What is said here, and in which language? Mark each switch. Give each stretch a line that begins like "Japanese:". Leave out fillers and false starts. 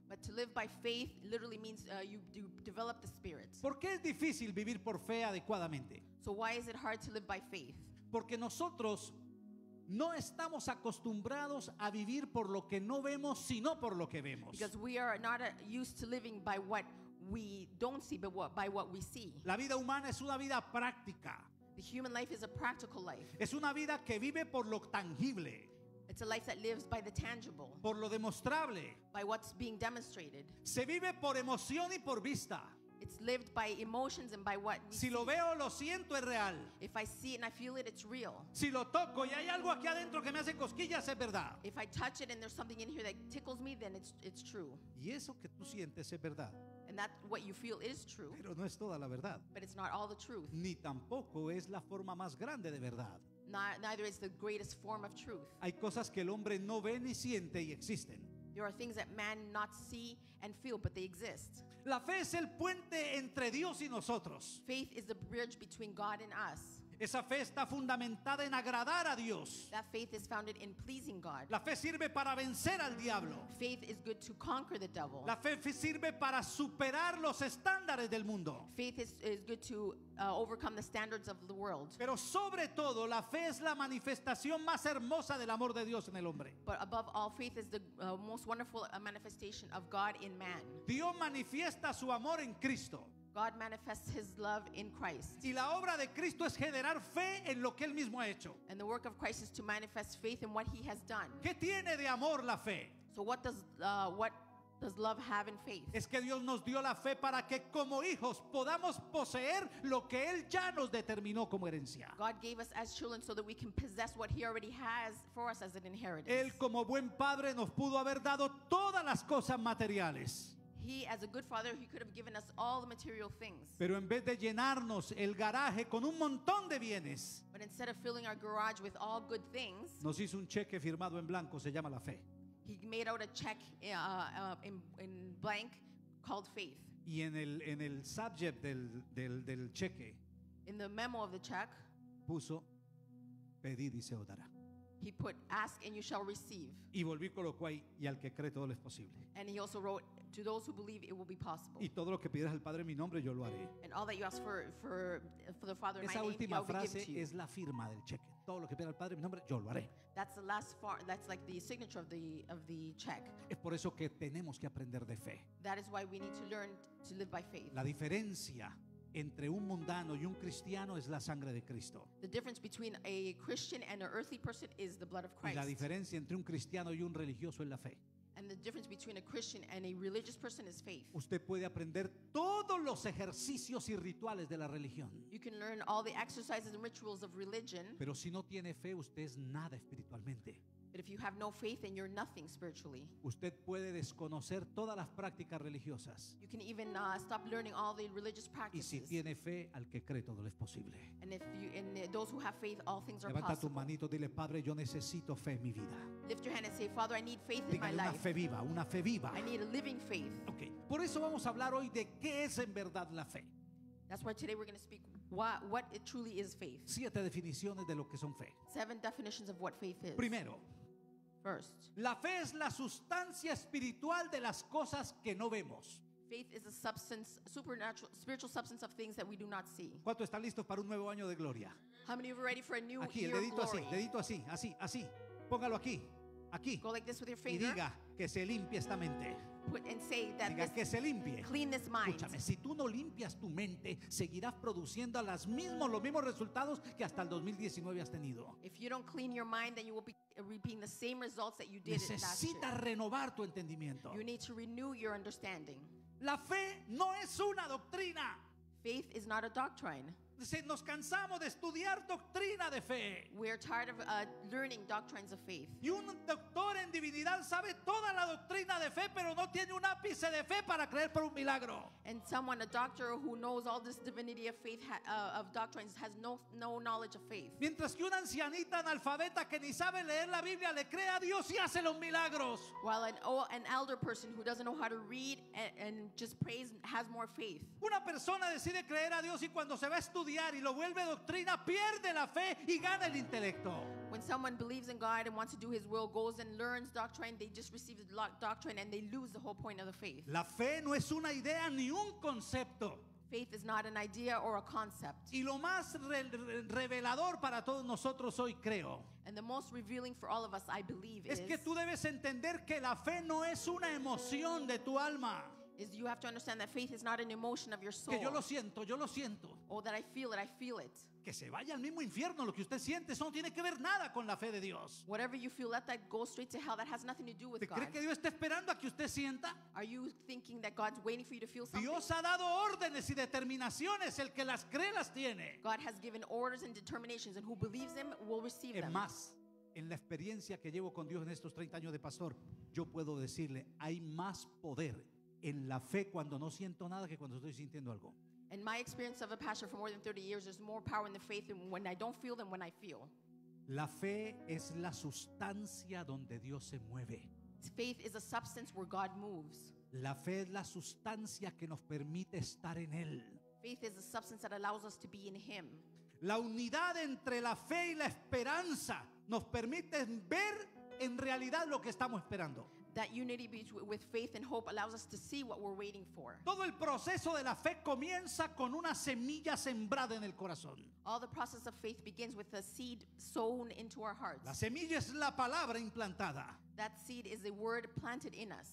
English: But to live by faith literally means you develop the spirit.
Spanish: ¿Por qué es difícil vivir por fe adecuadamente?
English: So why is it hard to live by faith?
Spanish: Porque nosotros no estamos acostumbrados a vivir por lo que no vemos, sino por lo que vemos.
English: Because we are not used to living by what we don't see, but by what we see.
Spanish: La vida humana es una vida práctica.
English: The human life is a practical life.
Spanish: Es una vida que vive por lo tangible.
English: It's a life that lives by the tangible.
Spanish: Por lo demostrable.
English: By what's being demonstrated.
Spanish: Se vive por emoción y por vista.
English: It's lived by emotions and by what we see.
Spanish: Si lo veo, lo siento, es real.
English: If I see it and I feel it, it's real.
Spanish: Si lo toco y hay algo aquí adentro que me hace cosquillas, es verdad.
English: If I touch it and there's something in here that tickles me, then it's true.
Spanish: Y eso que tú sientes es verdad.
English: And that what you feel is true.
Spanish: Pero no es toda la verdad.
English: But it's not all the truth.
Spanish: Ni tampoco es la forma más grande de verdad.
English: Neither is the greatest form of truth.
Spanish: Hay cosas que el hombre no ve ni siente y existen.
English: There are things that man not see and feel, but they exist.
Spanish: La fe es el puente entre Dios y nosotros.
English: Faith is the bridge between God and us.
Spanish: Esa fe está fundamentada en agradar a Dios.
English: That faith is founded in pleasing God.
Spanish: La fe sirve para vencer al diablo.
English: Faith is good to conquer the devil.
Spanish: La fe sirve para superar los estándares del mundo.
English: Faith is good to overcome the standards of the world.
Spanish: Pero sobre todo, la fe es la manifestación más hermosa del amor de Dios en el hombre.
English: But above all, faith is the most wonderful manifestation of God in man.
Spanish: Dios manifiesta su amor en Cristo.
English: God manifests his love in Christ.
Spanish: Y la obra de Cristo es generar fe en lo que él mismo ha hecho.
English: And the work of Christ is to manifest faith in what he has done.
Spanish: ¿Qué tiene de amor la fe?
English: So what does love have in faith?
Spanish: Es que Dios nos dio la fe para que como hijos podamos poseer lo que él ya nos determinó como herencia.
English: God gave us as children so that we can possess what he already has for us as an inheritance.
Spanish: Él como buen padre nos pudo haber dado todas las cosas materiales.
English: He, as a good father, he could have given us all the material things.
Spanish: Pero en vez de llenarnos el garaje con un montón de bienes,
English: but instead of filling our garage with all good things,
Spanish: nos hizo un cheque firmado en blanco, se llama la fe.
English: He made out a check in blank called faith.
Spanish: Y en el subject del cheque,
English: in the memo of the check,
Spanish: puso pedid y se os dará.
English: He put ask and you shall receive.
Spanish: Y volví colocó ahí y al que cree todo lo es posible.
English: And he also wrote to those who believe it will be possible.
Spanish: Y todo lo que pidas al Padre en mi nombre yo lo haré.
English: And all that you ask for the Father in my name.
Spanish: Esa última frase es la firma del cheque. Todo lo que pida al Padre en mi nombre yo lo haré.
English: That's the last part. That's like the signature of the check.
Spanish: Es por eso que tenemos que aprender de fe.
English: That is why we need to learn to live by faith.
Spanish: La diferencia entre un mundano y un cristiano es la sangre de Cristo.
English: The difference between a Christian and an earthly person is the blood of Christ.
Spanish: Y la diferencia entre un cristiano y un religioso es la fe.
English: And the difference between a Christian and a religious person is faith.
Spanish: Usted puede aprender todos los ejercicios y rituales de la religión.
English: You can learn all the exercises and rituals of religion.
Spanish: Pero si no tiene fe, usted es nada espiritualmente.
English: But if you have no faith, then you're nothing spiritually.
Spanish: Usted puede desconocer todas las prácticas religiosas.
English: You can even stop learning all the religious practices.
Spanish: Y si tiene fe, al que cree todo le es posible.
English: And if you, and those who have faith, all things are
Spanish: levanta
English: possible.
Spanish: Levanta tu manito, dile, Padre, yo necesito fe en mi vida.
English: Lift your hand and say, Father, I need faith.
Spanish: Dígale
English: in my
Spanish: una
English: life.
Spanish: Fe viva, una fe viva.
English: I need a living faith. Okay.
Spanish: Por eso vamos a hablar hoy de qué es en verdad la fe.
English: That's why today we're going to speak what it truly is faith.
Spanish: Siete definiciones de lo que son fe.
English: Seven definitions of what faith is.
Spanish: Primero.
English: First,
Spanish: la fe es la sustancia espiritual de las cosas que no vemos.
English: Faith is a substance, supernatural, spiritual substance of things that we do not see.
Spanish: ¿Cuánto están listos para un nuevo año de gloria?
English: How many of you are ready for a new
Spanish: aquí,
English: year
Spanish: el dedito
English: of glory?
Spanish: Así, dedito así, así, así. Póngalo aquí, aquí.
English: Go like this with your finger.
Spanish: Y diga que se limpie esta mente.
English: Put and say that
Spanish: diga que se limpie.
English: Clean this mind.
Spanish: Escúchame, si tú no limpias tu mente, seguirás produciendo los mismos resultados que hasta el 2019 has tenido.
English: If you don't clean your mind, then you will be reaping the same results that you did.
Spanish: Necesitas renovar tu entendimiento.
English: You need to renew your understanding.
Spanish: La fe no es una doctrina.
English: Faith is not a doctrine.
Spanish: Nos cansamos de estudiar doctrina de fe.
English: We are tired of learning doctrines of faith.
Spanish: Y un doctor en divinidad sabe toda la doctrina de fe, pero no tiene un ápice de fe para creer por un milagro.
English: And someone, a doctor who knows all this divinity of faith of doctrines, has no knowledge of faith.
Spanish: Mientras que una ancianita analfabeta que ni sabe leer la Biblia le cree a Dios y hace los milagros.
English: While an elder person who doesn't know how to read and just prays has more faith.
Spanish: Una persona decide creer a Dios y cuando se va a estudiar y lo vuelve doctrina pierde la fe y gana el intelecto.
English: When someone believes in God and wants to do his will, goes and learns doctrine, they just receive the doctrine and they lose the whole point of the faith.
Spanish: La fe no es una idea ni un concepto.
English: Faith is not an idea or a concept.
Spanish: Y lo más revelador para todos nosotros hoy creo.
English: And the most revealing for all of us, I believe,
Spanish: es que tú debes entender que la fe no es una emoción de tu alma.
English: Is you have to understand that faith is not an emotion of your soul.
Spanish: Que yo lo siento, yo lo siento.
English: Oh, that I feel it, I feel it.
Spanish: Que se vaya al mismo infierno lo que usted siente, eso no tiene que ver nada con la fe de Dios.
English: Whatever you feel, let that go straight to hell. That has nothing to do with God.
Spanish: ¿Cree que Dios está esperando a que usted sienta?
English: Are you thinking that God's waiting for you to feel something?
Spanish: Dios ha dado órdenes y determinaciones, el que las cree las tiene.
English: God has given orders and determinations, and who believes him will receive them.
Spanish: Es más, en la experiencia que llevo con Dios en estos 30 años de pastor, yo puedo decirle, hay más poder en la fe cuando no siento nada que cuando estoy sintiendo algo.
English: In my experience of a pastor for more than 30 years, there's more power in the faith than when I don't feel than when I feel.
Spanish: La fe es la sustancia donde Dios se mueve.
English: Faith is a substance where God moves.
Spanish: La fe es la sustancia que nos permite estar en él.
English: Faith is a substance that allows us to be in him.
Spanish: La unidad entre la fe y la esperanza nos permite ver en realidad lo que estamos esperando.
English: That unity with faith and hope allows us to see what we're waiting for.
Spanish: Todo el proceso de la fe comienza con una semilla sembrada en el corazón.
English: All the process of faith begins with a seed sown into our hearts.
Spanish: La semilla es la palabra implantada.
English: That seed is the word planted in us.